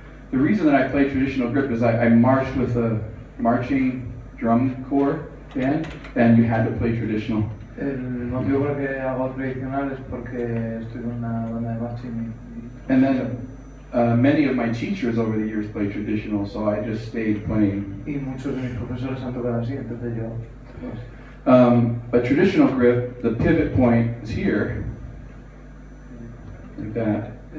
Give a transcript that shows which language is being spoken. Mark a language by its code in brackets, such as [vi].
[en] The reason that I play traditional grip is I marched with a marching drum corps band, and you had to play traditional. [es] El motivo por el que hago tradicional es porque estoy en una banda de marching. [en] And then many of my teachers over the years played traditional, so I just stayed playing. [es] Y muchos de mis profesores han tocado así, entonces yo. [en] A traditional grip, the pivot point is here, like that.